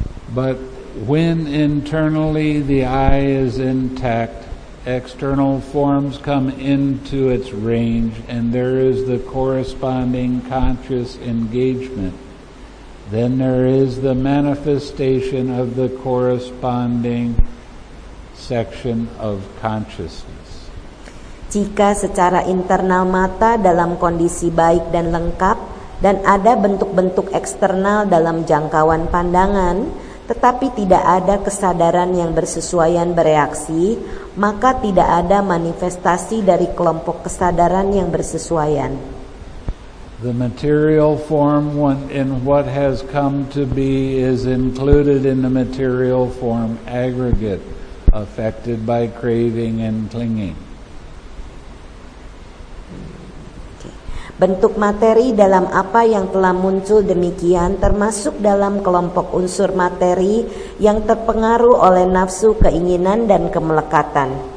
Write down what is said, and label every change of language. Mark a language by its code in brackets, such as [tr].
[en] But when internally the eye is intact, external forms come into its range and there is the corresponding conscious engagement. Then there is the manifestation of the corresponding section of consciousness. [id] Jika secara internal mata dalam kondisi baik dan lengkap, dan ada bentuk-bentuk eksternal dalam jangkauan pandangan, tetapi tidak ada kesadaran yang bersesuaian bereaksi, maka tidak ada manifestasi dari kelompok kesadaran yang bersesuaian. [en] The material form in what has come to be is included in the material form aggregate affected by craving and clinging. [id] Bentuk materi dalam apa yang telah muncul demikian termasuk dalam kelompok unsur materi yang terpengaruh oleh nafsu, keinginan, dan kemelekatan.